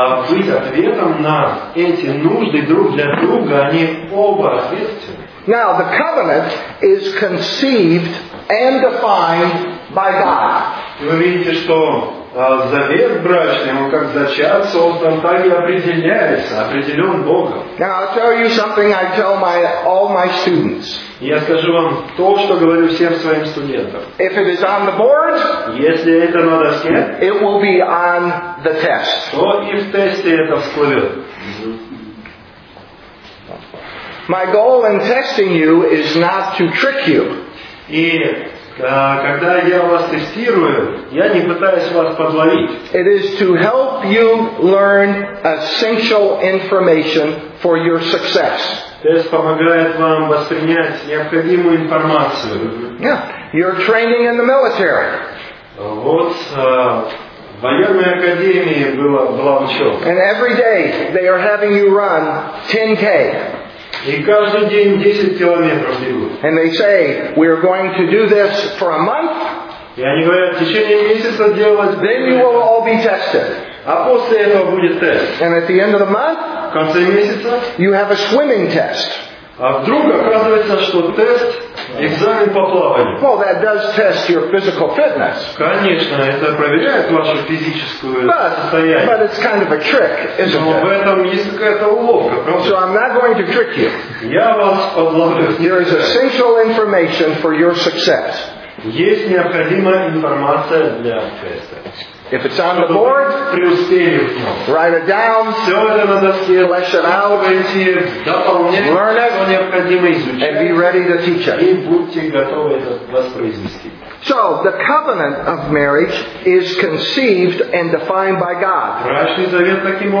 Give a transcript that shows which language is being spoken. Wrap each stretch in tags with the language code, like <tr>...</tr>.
<ru>Быть ответом на эти нужды друг для друга, они оба ответственны.</ru> <en>Now the covenant is conceived and defined by God.</en> <ru>Вы видите, что завет брачный, он как зачат создан, так и определяется, определен Богом.</ru> <en>Now I'll tell you something I tell all my students.</en> <ru>Я скажу вам то, что говорю всем своим студентам.</ru> <en>If it is on the board,</en> <ru>если это на доске,</ru> <en>it will be on the test.</en> <ru>То и в тесте это всплывет.</ru> <en>My goal in testing you is not to trick you.</en> <ru>И когда я вас тестирую, я не пытаюсь вас подловить.</ru> <en>It is to help you learn essential information for your success.</en> <ru>Тест помогает вам воспринять необходимую информацию.</ru> <en>Yeah. You're training in the military.</en> <ru>Вот в военной академии была учеба.</ru> <en>And every day they are having you run 10K.</en> <ru>И каждый день 10 километров бегут.</ru> <en>And they say, we are going to do this for a month.</en> <ru>И они говорят, в течение месяца делать.</ru> <en>Then you will all be tested.</en> <ru>А после этого будет тест.</ru> <en>And at the end of the month,</en> <ru>в конце месяца,</ru> <en>you have a swimming test.</en> <ru>А вдруг оказывается, что тест, экзамен по плаванию.</ru> <en>Well, that does test your physical fitness.</en> <ru>Конечно, это проверяет ваше физическое состояние.</ru> <en>But it's kind of a trick, isn't it?</en> <ru>Но в этом есть какая-то уловка, правда?</ru> <en>So I'm not going to trick you.</en> <ru>Я вас подловлю.</ru> <en>There is essential information for your success.</en> <ru>Есть необходимая информация для теста.</ru> <en>If it's on the board, write it down, flesh it out, learn it, and be ready to teach it. So, the covenant of marriage is conceived and defined by God.</en>